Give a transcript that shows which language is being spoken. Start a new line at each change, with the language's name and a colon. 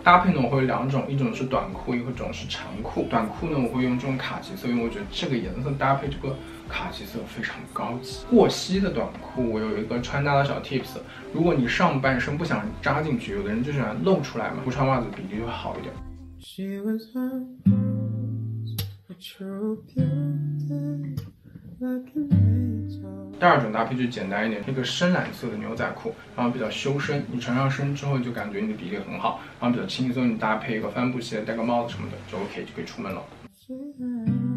Chinese: 搭配呢，我会有两种，一种是短裤，一种是长裤。短裤呢，我会用这种卡其色，因为我觉得这个颜色搭配这个卡其色非常高级。过膝的短裤我有一个穿搭的小 tips， 如果你上半身不想扎进去，有的人就喜欢露出来嘛，不穿袜子比例就会好一点。
English: She was a beauty, like an angel。
Chinese: 第二种搭配就简单一点，那个深蓝色的牛仔裤，然后比较修身，你穿上身之后就感觉你的比例很好，然后比较轻松，你搭配一个帆布鞋戴个帽子什么的就 OK， 就可以出门了。